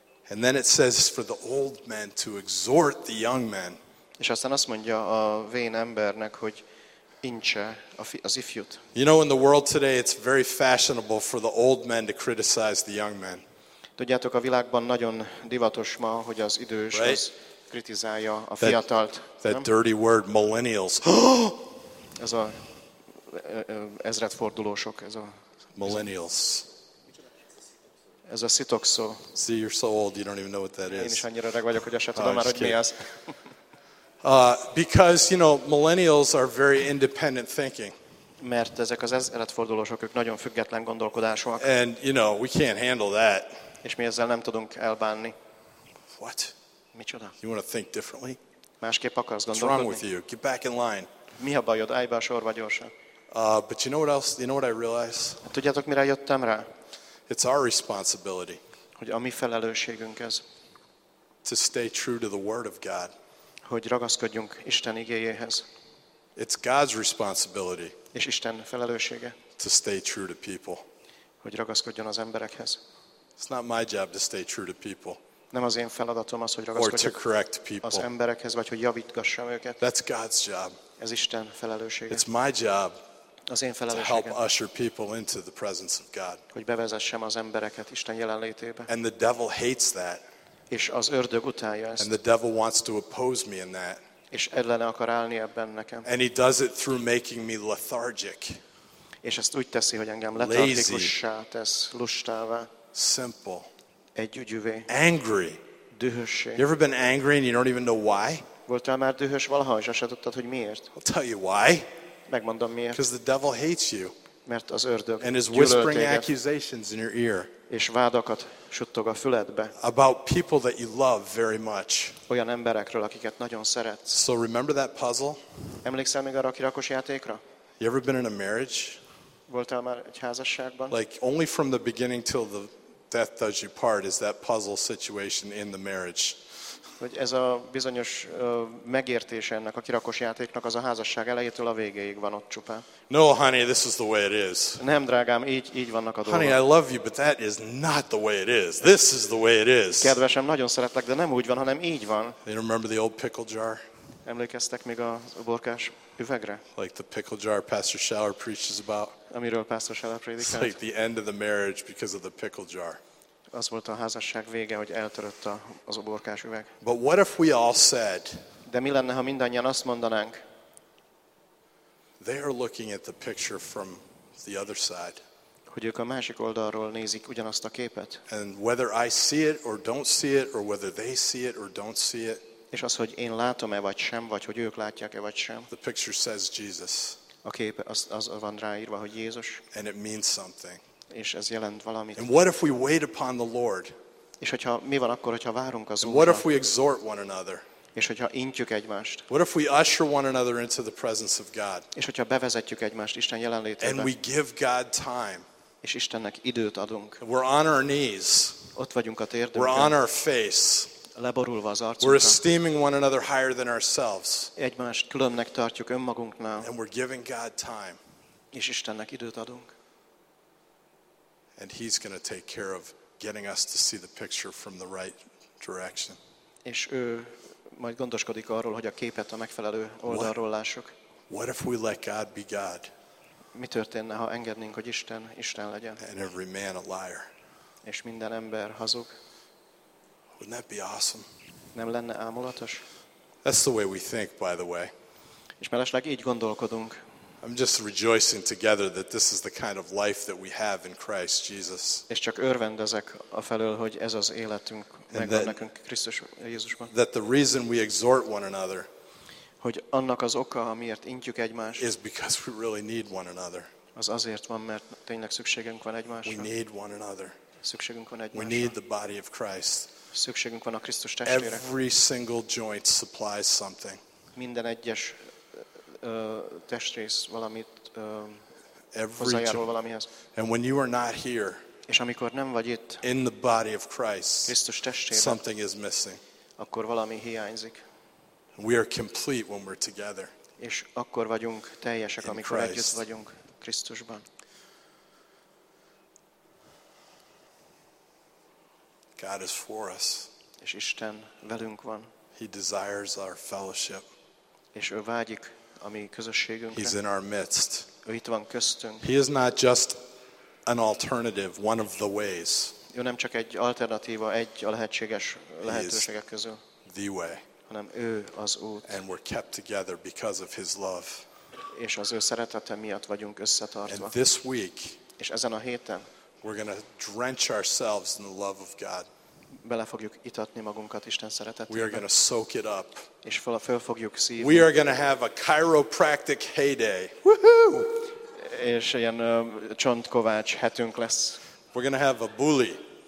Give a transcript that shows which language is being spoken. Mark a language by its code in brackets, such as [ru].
[en] And then it says for the old man to exhort the young man. [hu] És aztán azt mondja a vén embernek, hogy intse az ifjút. [en] You know, in the world today it's very fashionable for the old men to criticize the young men. [hu] Tudjátok, a világban nagyon divatos ma, hogy az idős right? Az kritizálja a fiatalt. [en] That dirty word, millennials. [hu] Ez a ezredfordulósok. Ez a, [en] millennials. [hu] Ez a szitok szó. [en] See, you're so old, you don't even know what that is. [hu] Én is annyira öreg vagyok, hogy azt tudom már, hogy mi az. [en] Because, you know, millennials are very independent thinking. [hu] Mert ezek az ezredfordulósok, ők nagyon független gondolkodásúak. [en] And, you know, we can't handle that. [hu] És mi ezzel nem tudunk elbánni. [en] What? [hu] Micsoda? [en] You want to think differently? [hu] Másképp akarsz gondolkodni? [en] What's wrong with you? Get back in line. [hu] Mi a bajod? Állj be a sorba gyorsan. [en] But you know what else? You know what I realize? [hu] Tudjátok, mire jöttem rá? [en] It's our responsibility. [hu] Hogy a mi felelősségünk ez. [en] To stay true to the word of God. [hu] Hogy ragaszkodjunk Isten igéjéhez. [en] It's God's responsibility. [hu] És Isten felelőssége. [en] To stay true to people. [hu] Hogy ragaszkodjon az emberekhez. [en] It's not my job to stay true to people. [hu] Nem az én feladatom az, hogy ragaszkodjak az emberekhez, vagy hogy javítgassam őket. [en] That's God's job. [hu] Ez Isten felelőssége. [en] It's my job. [hu] Az én felelősségem. [en] To help usher people into the presence of God. [hu] Hogy bevezessem az embereket Isten jelenlétébe. [en] And the devil hates that. [hu] És az ördög utálja ezt. [en] And the devil wants to oppose me in that. [hu] És ellene akar állni ebben nekem. [en] And he does it through making me lethargic. [hu] És ezt úgy teszi, hogy engem letartikussá tesz, lustává. [en] Simple. [hu] Együgyűvé. [en] Angry. [hu] Dühössé. [en] You ever been angry and you don't even know why? [hu] Voltál már dühös valaha, és se tudtad, hogy miért? [en] I'll tell you why. [hu] Megmondom miért. [en] Because the devil hates you. [hu] Mert az ördög. [en] And is whispering accusations in your ear. [hu] És vádakat suttog a füledbe. [en] About people that you love very much. [hu] Olyan emberekről, akiket nagyon szeretsz. [en] So remember that puzzle? [hu] Emlékszel még arra a kirakós játékra? [en] You ever been in a marriage? [hu] Voltál már egy házasságban? [en] Like only from the beginning till the death does you part is that puzzle situation in the marriage. [hu] Hogy ez a bizonyos megértése ennek a kirakós játéknak az a házasság elejétől a végéig van ott csupán. [en] No, honey, this is the way it is. [hu] Nem, drágám, így vannak a dolgok. [en] Honey, I love you, but that is not the way it is. This is the way it is. [hu] Kedvesem, nagyon szeretlek, de nem úgy van, hanem így van. [en] You remember the old pickle jar? [hu] Emlékeztek még a borkás üvegre? [en] Like the pickle jar Pastor Schaller preaches about. [hu] Amiről Pastor Schaller prédikált. [en] It's like the end of the marriage because of the pickle jar. [hu] Az volt a házasság vége, hogy eltörött az uborkás üveg. [en] But what if we all said? [hu] De mi lenne, ha mindannyian azt mondanánk? [en] They are looking at the picture from the other side. [hu] Hogy ők a másik oldalról nézik ugyanazt a képet. [en] And whether I see it or don't see it, or whether they see it or don't see it. [hu] És az, hogy én látom-e vagy sem, vagy hogy ők látják-e vagy sem. [en] The picture says Jesus. [hu] A kép az van ráírva, hogy Jézus. [en] And it means something. [hu] És ez jelent valamit. [en] And what if we wait upon the Lord? [hu] És hogyha mi van akkor, hogyha várunk az Úrra? [en] And what if we exhort one another? [hu] És hogyha intjük egymást? [en] What if we usher one another into the presence of God? [hu] És hogyha bevezetjük egymást Isten jelenlétébe? [en] And we give God time. [hu] És Istennek időt adunk. [en] We're on our knees. [hu] Ott vagyunk a térdünkön. [en] We're on our face. [hu] Leborulva az arcunkra. [en] We're esteeming one another higher than ourselves. [hu] Egymást különnek tartjuk önmagunknál. [en] And we're giving God time. [hu] És Istennek időt adunk. [en] And he's going to take care of getting us to see the picture from the right direction. [hu] És ő majd gondoskodik arról, hogy a képet a megfelelő oldalról lássuk. [en] What if we let God be God? [hu] Mi történne, ha engednénk, hogy Isten Isten legyen? [en] And every man a liar. [hu] És minden ember hazug. [en] Wouldn't that be awesome? [hu] Nem lenne álmulatos? [en] That's the way we think, by the way. [hu] És mellesleg így gondolkodunk. [en] I'm just rejoicing together that this is the kind of life that we have in Christ Jesus. [hu] És csak örvendezek a felől, hogy ez az életünk megvan nekünk Krisztus Jézusban. [en] That the reason we exhort one another. [hu] Hogy annak az oka, amiért intjük egymást. [en] Is because we really need one another. [hu] Az azért van, mert tényleg szükségünk van egymásra. [en] We need one another. [hu] Szükségünk van egymásra. [en] We need the body of Christ. [hu] Szükségünk van a Krisztus testvére. [en] Every single joint supplies something. [hu] Minden egyes testrész valamit hozzájárul valamihez. [en] And when you are not here, [hu] és amikor nem vagy itt, [en] in the body of Christ, [hu] Krisztus testében, [en] something is missing. [hu] Akkor valami hiányzik. [en] We are complete when we're together. [hu] És akkor vagyunk teljesek, amikor együtt vagyunk Krisztusban. [en] God is for us. [hu] És Isten velünk van. [en] He desires our fellowship. [hu] És ő vágyik a mi közösségünkre. [en] He's in our midst. [hu] Ő itt van köztünk. [en] He is not just an alternative, one of the ways. [hu] Ő nem csak egy alternatíva, egy a lehetséges lehetőségek közül. [en] The way. [hu] Hanem ő az út. [en] And we're kept together because of his love. [hu] És az ő szeretete miatt vagyunk összetartva. [en] And this week, [hu] és ezen a héten, [en] we're going to drench ourselves in the love of God. [hu] Bele fogjuk itatni magunkat Isten szeretetében. [en] We are going to soak it up. [hu] És föl fogjuk szívni. [en] We are going to have a chiropractic heyday. [hu] És ilyen csontkovács hetünk lesz. [en] We're going to have a [hu] buli.